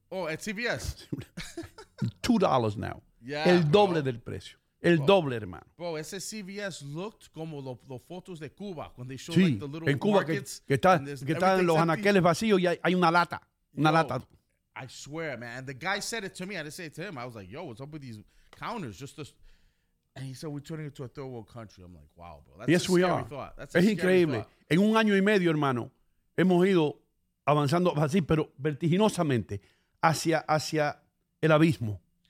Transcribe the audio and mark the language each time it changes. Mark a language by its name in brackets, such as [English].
[English] Oh, at CVS. $2 now. Yeah, [Spanish] el doble del precio. El doble, hermano. Bro, ese CVS [English] looked [Spanish] como los fotos de Cuba. [English] When they showed, [Spanish] sí, [English] like, the little [Spanish] en Cuba que están los anaqueles vacíos y hay una lata. Una lata. [English] I swear, man. And the guy said it to me. I didn't say it to him. I was like, yo, what's up with these counters? And he said, we're turning into a third world country. I'm like, wow, bro. That's a scary thought. [Spanish] Es increíble. En un año y medio, hermano, hemos ido avanzando así, pero vertiginosamente, hacia el abismo.